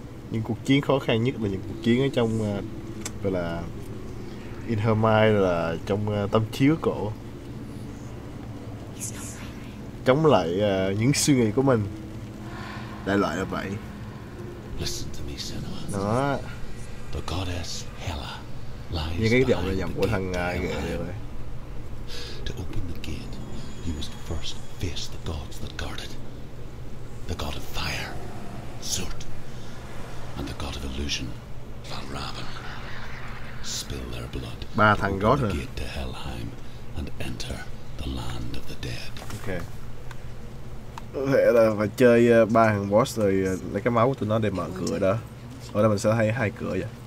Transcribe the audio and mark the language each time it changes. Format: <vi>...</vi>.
<vi>Những cuộc chiến khó khăn nhất là những cuộc chiến ở trong gọi là</vi> <en>in her mind,</en> <vi>là trong tâm trí của cổ, chống lại những suy nghĩ của mình, đại loại là vậy.</vi> <en>Listen to me, Senua. Đó. The goddess Hela lies.</en> <vi>Những cái giọng là giọng của thằng Ngài kìa.</vi> <en>To open the gate, you must first face the gods that guard it. The god of fire, Surt. And the god of illusion, Van Raven. spill their blood.</en> <vi>Ba thằng God hả?</vi> <en>Get to Helheim and enter the land of the dead. Okay.</en> <vi>Có thể là phải chơi ba thằng boss rồi lấy cái máu của tụi nó để mở cửa đó. Ở đây mình sẽ thấy hai cửa vậy.</vi>